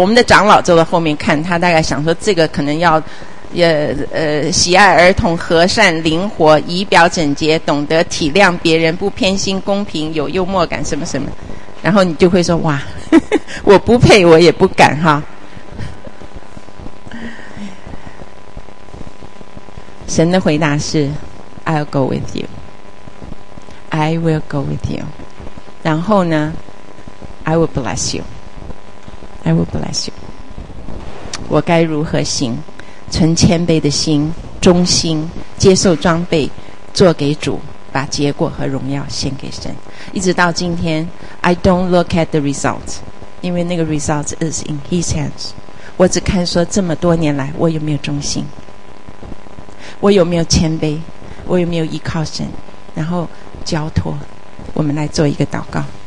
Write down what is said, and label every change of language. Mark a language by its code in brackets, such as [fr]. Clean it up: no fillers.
[zh] 我们的长老坐在后面看，他大概想说这个可能要喜爱儿童，和善灵活，仪表整洁，懂得体谅别人，不偏心，公平，有幽默感，什么什么。然后你就会说哇，呵呵，我不配，我也不敢哈。神的回答是 [en] I'll go with you, I will go with you, [zh] 然后呢 [en] I will bless you, I will bless you。 [zh] 我该如何行？存谦卑的心，忠心接受装备，做给主，把结果和荣耀献给神。一直到今天 [en] I don't look at the result, [zh] 因为那个 [en] result is in his hands。 [zh] 我只看说这么多年来我有没有忠心，我有没有谦卑，我有没有依靠神，然后交托。我们来做一个祷告。